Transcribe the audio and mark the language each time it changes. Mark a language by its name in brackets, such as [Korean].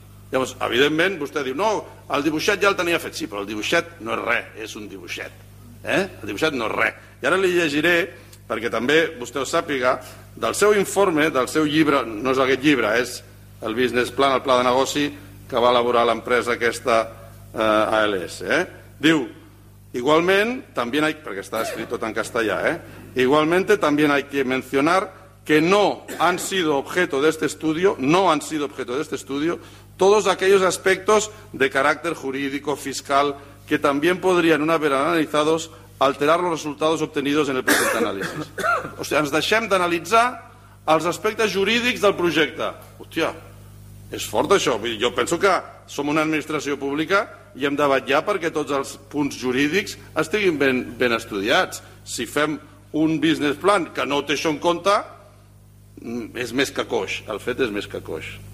[Catalan] Llavors, evidentment, vostè diu, no, el dibuixet ja el tenia fet. Sí, però el dibuixet no és res, és un dibuixet. El dibuixet no és res. I ara li llegiré, perquè també vostè ho sàpiga, del seu informe, del seu llibre, no és aquest llibre, és el business plan, el pla de negoci que va elaborar l'empresa aquesta ALS. Diu, igualment, també hay, perquè està escrit tot en castellà, [Spanish] igualmente también hay que mencionar que no han sido objeto de este estudio, no han sido objeto de este estudio, todos aquellos aspectos de carácter jurídico, fiscal, que también podrían, una vez analizados, alterar los resultados obtenidos en el presente análisis. O sea, [Catalan] ens deixem d'analitzar els aspectes jurídics del projecte. Hòstia, és fort això. Jo penso que som una administració pública i hem de vetllar perquè tots els punts jurídics estiguin ben estudiats. Si fem un business plan que no té això en compte, és més que coix. El fet és més que coix.